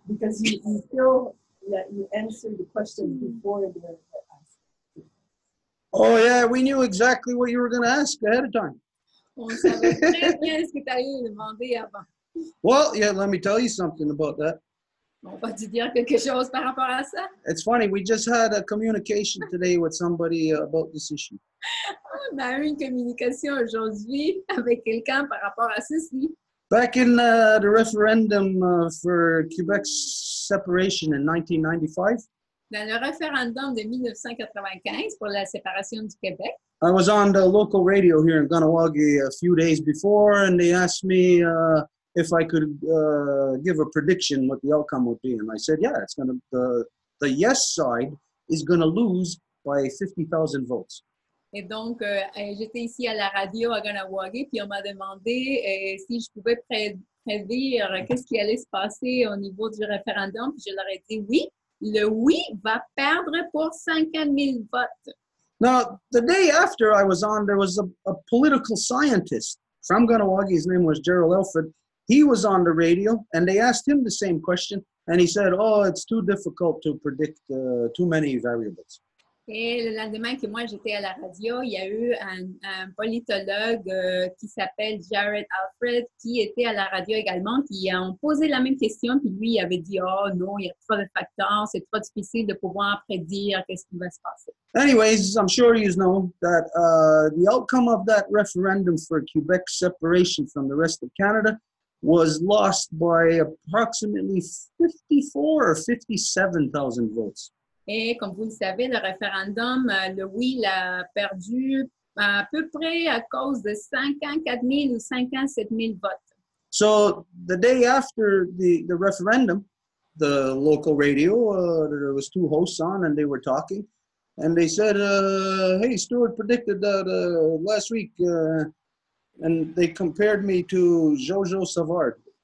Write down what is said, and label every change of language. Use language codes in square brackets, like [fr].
[en] Because you still, you answered the question before the asked. Oh yeah, we knew exactly what you were going to ask ahead of time. Well, yeah, let me tell you something about that. [fr] On va te dire quelque chose par rapport à ça? [en] It's funny, we just had a communication today with somebody about this issue. [fr] On a eu une communication aujourd'hui avec quelqu'un par rapport à ceci. [en] Back in the referendum for Quebec's separation in 1995. [fr] Dans le référendum de 1995 pour la séparation du Québec. [en] I was on the local radio here in Ganawagi a few days before, and they asked me if I could give a prediction what the outcome would be. And I said, yeah, it's going to, the yes side is going to lose by 50,000 votes. [fr] Et donc, j'étais ici à la radio à Ganawagi, puis on m'a demandé si je pouvais prédire qu'est-ce qui allait se passer au niveau du référendum. Puis je leur ai dit oui, le oui va perdre pour 50 000 votes. [en] Now, the day after I was on, there was a political scientist from Ganawagi. His name was Gerald Elford. He was on the radio, and they asked him the same question, and he said, oh, it's too difficult to predict too many variables. [fr] Et le lendemain que moi j'étais à la radio, il y a eu un politologue qui s'appelle Jared Alfred qui était à la radio également, qui a posé la même question, puis lui il avait dit, oh non, il y a trop de facteurs, c'est trop difficile de pouvoir prédire qu'est-ce qui va se passer. [en] Anyways, I'm sure you know that the outcome of that referendum for Quebec separation from the rest of Canada was lost by approximately 54 or 57,000 votes. [fr] Et comme vous le savez, le référendum, le oui, l'a perdu à peu près à cause de 54 000 ou 57 000 votes. [en] So, the day after the referendum, the local radio, there was two hosts on and they were talking. And they said, hey, Stuart predicted that last week. And they compared me to Jojo Savard.